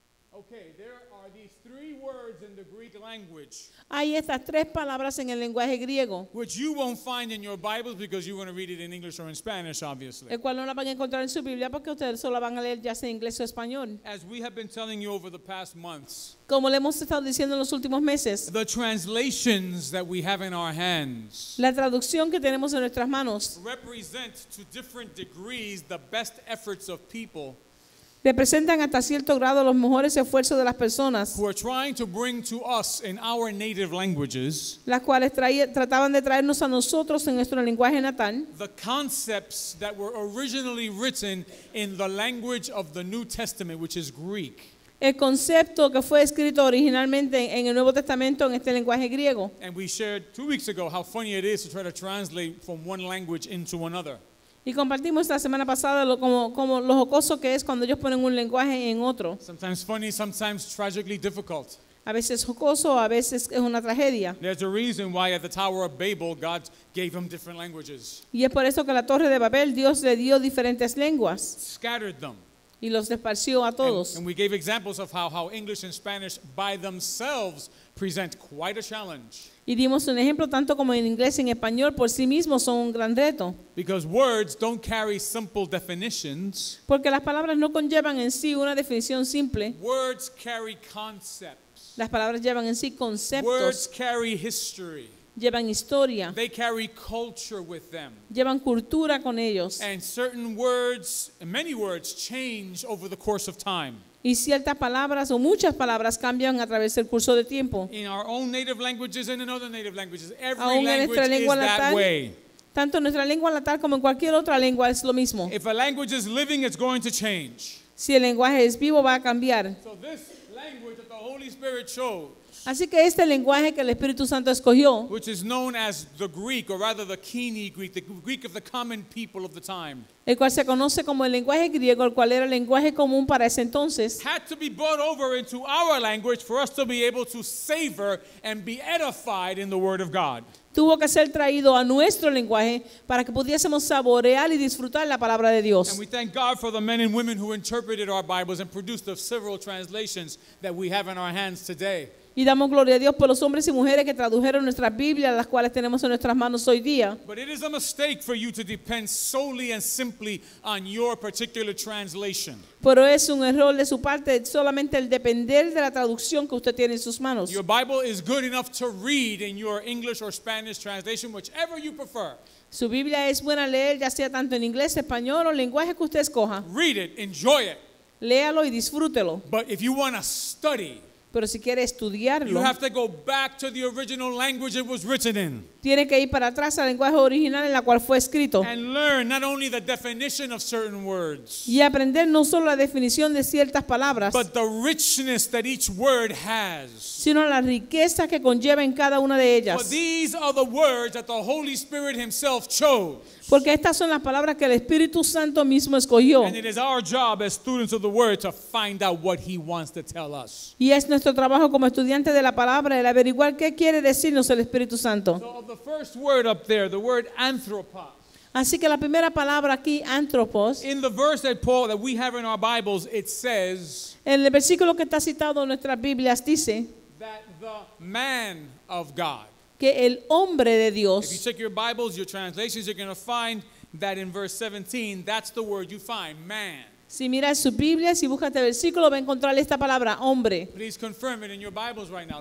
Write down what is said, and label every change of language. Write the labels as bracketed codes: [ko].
[en] Okay, there are these three words in the Greek language. [es] Hay estas tres palabras en el lenguaje griego. [en] Which you won't find in your Bibles because you want to read it in English or in Spanish, obviously. [es] El cual no la van a encontrar en su Biblia porque ustedes solo van a leer ya sea en inglés o español. [en] As we have been telling you over the past months. [es] Como le hemos estado diciendo en los últimos meses. [en] The translations that we have in our hands. [es] La traducción que tenemos en nuestras manos. [en] Represent to different degrees the best efforts of people. [es] Representan hasta cierto grado los mejores esfuerzos de las personas las cuales trataban de traernos a nosotros en nuestro lenguaje natal [en] the concepts that were originally written in the language of the New Testament, which is Greek. [es] El concepto que fue escrito originalmente en el Nuevo Testamento en este lenguaje griego. [en] And we shared 2 weeks ago how funny it is to try to translate from one language into another. [es] Y compartimos la semana pasada como lo jocoso que es cuando ellos ponen un lenguaje en otro. [en] Sometimes funny, sometimes tragically difficult. [es] A veces jocoso, a veces es una tragedia. [en] There's a reason why at the Tower of Babel God gave them different languages. [es] Y es por eso que a la Torre de Babel Dios le dio diferentes lenguas. [en] Scattered them. [es] Y los esparció a todos. [en] And we gave examples of how English and Spanish by themselves present quite a challenge. [es] Y dimos un ejemplo tanto como en inglés y en español por sí mismos son un gran reto. [en] Because words don't carry simple definitions. [es] Porque las palabras no conllevan en sí una definición simple. [en] Words carry concepts. [es] Las palabras llevan en sí conceptos. [en] Words carry history. [es] Llevan historia. [en] They carry culture with them. [es] Llevan cultura con ellos. [en] And certain words, many words, change over the course of time. [es] Y ciertas palabras o muchas palabras cambian a través del curso de tiempo. [en] In our own native languages and in other native languages, every language is that way. [es] Tanto nuestra lengua natal como en cualquier otra lengua es lo mismo. [en] If a language is living, it's going to change. [es] Si el lenguaje es vivo, va a cambiar. [en] So this language that the Holy Spirit chose. [es] Así que este lenguaje que el Espíritu Santo escogió, [en] which is known as the Greek, or rather the Koine Greek, the Greek of the common people of the time, [es] el cual se conoce como el lenguaje griego, el cual era el lenguaje común para ese entonces, [en] had to be brought over into our language for us to be able to savor and be edified in the Word of God. [es] Tuvo que ser traído a nuestro lenguaje para que pudiésemos saborear y disfrutar la palabra de Dios. [en] And we thank God for the men and women who interpreted our Bibles and produced the several translations that we have in our hands today. [es] Y damos gloria a Dios por los hombres y mujeres que tradujeron nuestras Biblias, las cuales tenemos en nuestras manos hoy día. [en] But it is a mistake for you to depend solely and simply on your particular translation. [es] Pero es un error de su parte solamente el depender de la traducción que usted tiene en sus manos. [en] Your Bible is good enough to read in your English or Spanish translation, whichever you prefer. [es] Su Biblia es buena leer, ya sea tanto en inglés, español o lenguaje que usted escoja. [en] Read it, enjoy it. [es] Léalo y disfrútelo. [en] But if you want to study, [es] pero si quiere estudiarlo, [en] you have to go back to the original language it was written in. [es] Tiene que ir para atrás al lenguaje original en la cual fue escrito. [en] And learn not only the definition of certain words, [es] y aprender no solo la definición de ciertas palabras, [en] but the richness that each word has, [es] sino la riqueza que conlleva en cada una de ellas. [en] For these are the words that the Holy Spirit himself chose. [es] Porque estas son las palabras que el Espíritu Santo mismo escogió. [en] And it is our job as students of the Word to find out what he wants to tell us. [es] Y es nuestro trabajo como estudiantes de la palabra el averiguar qué quiere decirnos el Espíritu Santo. [en] So the first word up there, the word anthropos. [es] Así que la primera palabra aquí, anthropos. [en] In the verse that Paul, that we have in our Bibles, it says, [es] en el versículo que está citado en nuestras Biblias dice, [en] that the man of God. [es] Que el hombre de Dios. [en] If you check your Bibles, your translations, you're going to find that in verse 17, that's the word you find, man. [es] Si miras su Biblia, si buscas este versículo, va a encontrar esta palabra, hombre. [en] Please confirm it in your Bibles right now.